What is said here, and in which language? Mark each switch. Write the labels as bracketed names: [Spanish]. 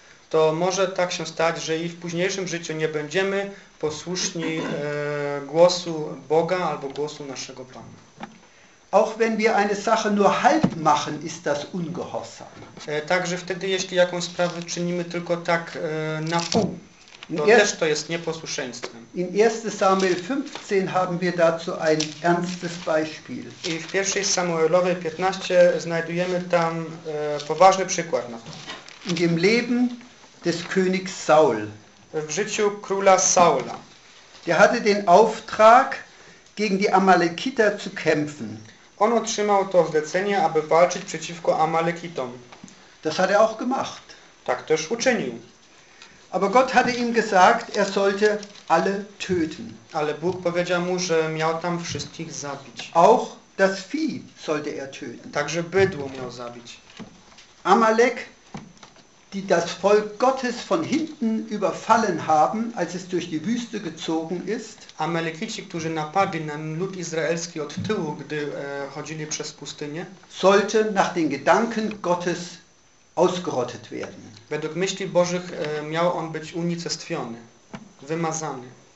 [Polish] To może tak się stać, że i w późniejszym życiu nie będziemy posłuszni głosu Boga albo głosu naszego Pana. [German] Auch wenn wir eine Sache nur halb machen, ist das ungehorsam. [Polish] Także wtedy, jeśli jakąś sprawę czynimy tylko tak na pół, to jest nieposłuszeństwem. [German] In 1 Samuel 15 haben wir dazu ein ernstes Beispiel. [Polish] I w 1 Samuelowej 15 znajdujemy tam poważny przykład na to. [German] In dem Leben des Königs Saul. [Polish] W życiu króla Saula. [German] Der hatte den Auftrag, gegen die Amalekiter zu kämpfen. [Polish] On otrzymał to zlecenie, aby walczyć przeciwko Amalekitom. [German] Das hat er auch gemacht. [Polish] Tak też uczynił. [German] Aber Gott hatte ihm gesagt, er sollte alle töten. [Polish] Ale Bóg powiedział mu, że miał tam wszystkich zabić. [German] Auch das Vieh sollte er töten. [Polish] Także bydło miał zabić. [German] Amalek, die das Volk Gottes von hinten überfallen haben, als es durch die Wüste gezogen ist. [Polish] Amalekici, którzy napadli na lud izraelski od tyłu, gdy chodzili przez pustynię, [German] sollte nach den Gedanken Gottes ausgerottet werden. [Polish] Według myśli Bożych miał on być unicestwiony, wymazany.